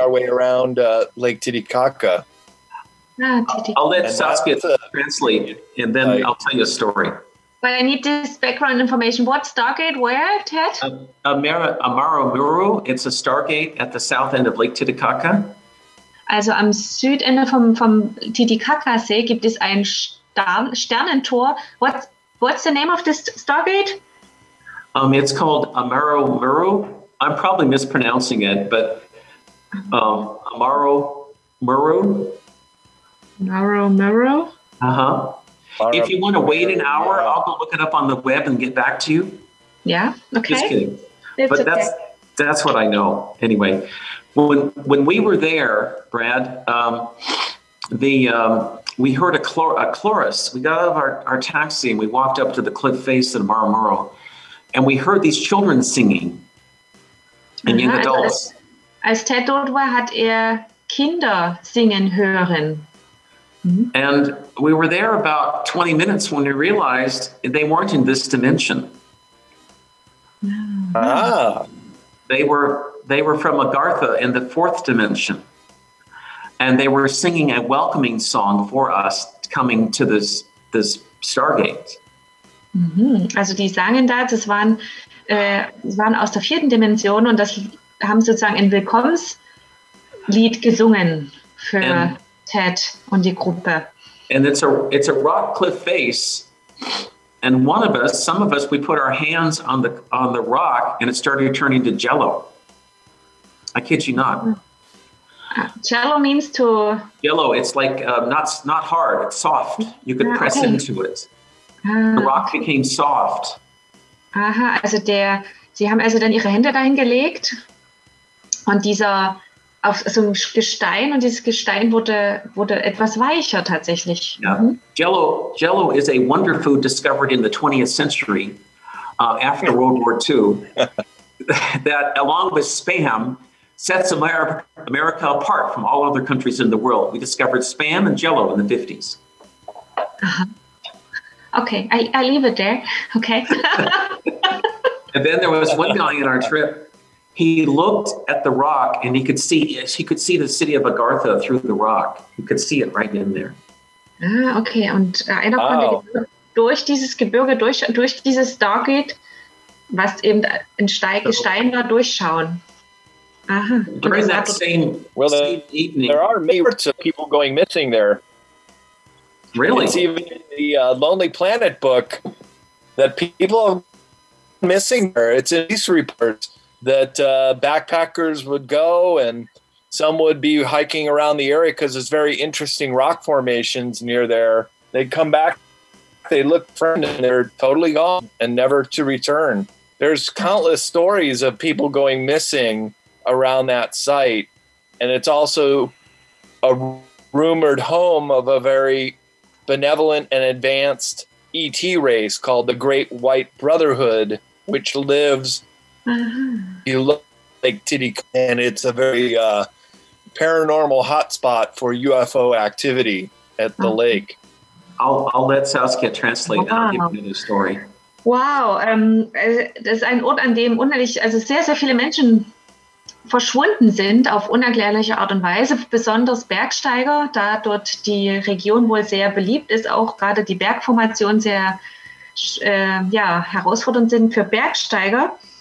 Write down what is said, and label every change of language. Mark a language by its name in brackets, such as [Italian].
[English] Our way around Lake Titicaca. I'll let Saskia translate, and then I'll tell you a story. But I need this background information. What Stargate? Where, Ted? Amaramuro. It's a Stargate at the south end of Lake Titicaca. [German] Also am Südende vom Titicaca-See gibt es ein Sternentor. [English] What's the name of this Stargate? It's called Amaramuro. I'm probably mispronouncing it, but Amaramuro. Amaramuro? Uh-huh. If you want to wait an hour, I'll go look it up on the web and get back to you. Yeah, okay. Just kidding. That's what I know. Anyway, when we were there, Brad, we heard a chorus. We got out of our taxi and we walked up to the cliff face of Amaramuro, and we heard these children singing and young adults. [German] Als Ted dort war, hat Kinder singen hören. Mm-hmm. [English] And we were there about 20 minutes when we realized they weren't in this dimension. Ah. They were from Agartha in the fourth dimension. And they were singing a welcoming song for us coming to this Stargate. Mm-hmm. [German] Also die sangen da, das waren aus der vierten Dimension und das haben sozusagen ein Willkommenslied gesungen für... [English] And, [German] Universität und die Gruppe. [English] And it's a rock cliff face. And one of us, some of us, we put our hands on the rock and it started turning to jello. I kid you not. Jello means to... Jello, it's like not hard, it's soft. You could press into it. The rock became soft. [German] Aha, also der, sie haben also dann ihre Hände dahin gelegt und dieser, auf so einem Gestein und dieses Gestein wurde etwas weicher tatsächlich. [English] Yeah. Mhm. Jello is a wonder food discovered in the 20th century after World War II that along with Spam sets America apart from all other countries in the world. We discovered Spam and Jello in the 50s. Aha. Okay, I leave it there. Okay. And then there was one guy on our trip. He looked at the rock and he could see the city of Agartha through the rock. He could see it right in there. Ah, okay. [German] Und einer konnte durch dieses Gebirge, durch dieses Stargate, was eben ein Gestein war, durchschauen. Aha. [English] During that same, same evening. There are reports of people going missing there. Really? It's even in the Lonely Planet book that people are missing her. It's in these reports that backpackers would go and some would be hiking around the area because there's very interesting rock formations near there. They'd come back, they look friendly, and they're totally gone and never to return. There's countless stories of people going missing around that site. And it's also a rumored home of a very benevolent and advanced ET race called the Great White Brotherhood, which lives you look like Titicaca, and it's a very paranormal hotspot for UFO activity at the lake. I'll let Saskia translate and I'll give you the story. [German] Wow, das ist ein Ort, an dem unheimlich, also sehr, sehr viele Menschen verschwunden sind auf unerklärliche Art und Weise, besonders Bergsteiger, da dort die Region wohl sehr beliebt ist, auch gerade die Bergformationen sehr herausfordernd sind für Bergsteiger.